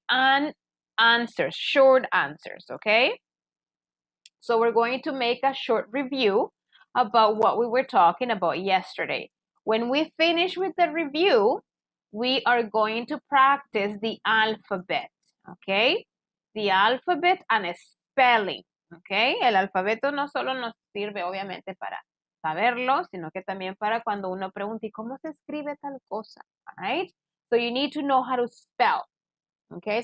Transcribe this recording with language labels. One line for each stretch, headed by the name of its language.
English: And answers, short answers. Okay. So, we're going to make a short review about what we were talking about yesterday. When we finish with the review, we are going to practice the alphabet. Okay. The alphabet and spelling, okay.
Spanish: El alfabeto no solo nos sirve, obviamente, para saberlo, sino que también para cuando uno pregunta ¿y cómo se escribe tal cosa?
English: Right? So you need to know how to spell, okay.